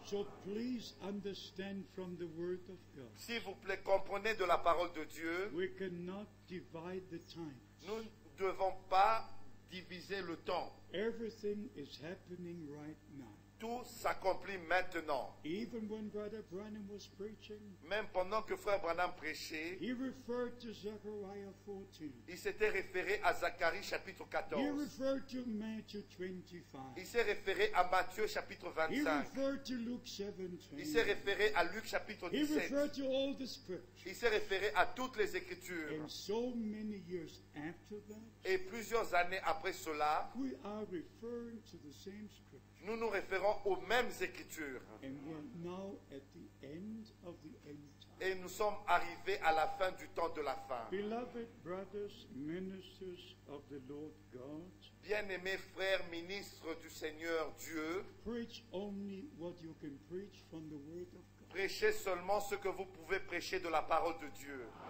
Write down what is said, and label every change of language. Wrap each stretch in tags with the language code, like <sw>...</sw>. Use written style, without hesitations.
<en>So please understand from the word of God.</en> <fr>S'il vous plaît, comprenez de la parole de Dieu.</fr> <en>We cannot divide the times.</en> <fr>Nous ne devons pas diviser le temps.</fr> <en>Everything is happening right now.</en> <fr>Tout s'accomplit maintenant.</fr> <en>Even when Brother Branham was preaching,</en> <fr>même pendant que Frère Branham prêchait,</fr> <en>he referred to Zechariah 14.</en> <fr>Il s'était référé à Zacharie chapitre 14.</fr> <en>He referred to Matthew 25.</en> <fr>Il s'est référé à Matthieu chapitre 25.</fr> <en>He referred to Luke 17.</en> <fr>Il s'est référé à Luc chapitre 17.</fr> <en>He referred to all the scriptures.</en> <fr>Il s'est référé à toutes les Écritures.</fr> <en>And so many years after that,</en> <fr>et plusieurs années après cela,</fr> <en>we are referring to the same scriptures.</en> <fr>Nous nous référons aux mêmes Écritures.</fr> <en>And we're now at the end of the end time.</en> <fr>Et nous sommes arrivés à la fin du temps de la fin.</fr> <en>Beloved brothers, ministers of the Lord God,</en> <fr>bien-aimés frères, ministres du Seigneur Dieu, prêchez seulement ce que vous pouvez prêcher de la parole de Dieu.</fr>